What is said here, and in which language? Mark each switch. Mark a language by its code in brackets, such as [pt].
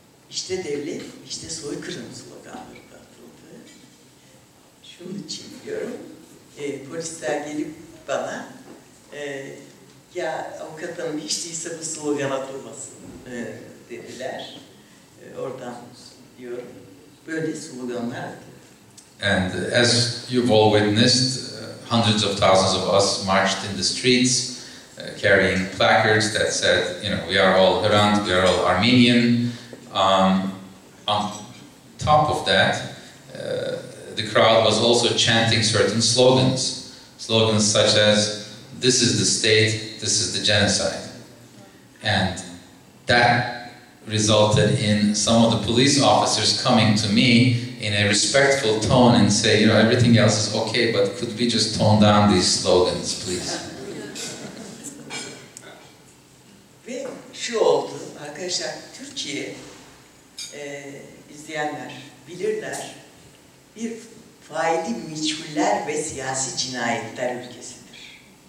[tr] İşte devlet, işte soykırım sloganları da atıldı. Şunun için diyorum, polisler gelip bana ya avukat hanım hiç değilse bu slogan atılmasın dediler. Oradan diyorum. Böyle sloganlar. [en] And as you've all witnessed, hundreds of thousands of us marched in the streets carrying placards that said, you know, we are all Hrant, we are all Armenian. On top of that, the crowd was also chanting certain slogans. Slogans such as, this is the state, this is the genocide. And that resulted in some of the police officers coming to me in a respectful tone and say, you know, everything else is okay, but could we just tone down these slogans, please? [tr] Ve şu oldu, arkadaşlar, Türkiye izleyenler bilirler, bir faili meçhuller ve siyasi cinayetler ülkesidir.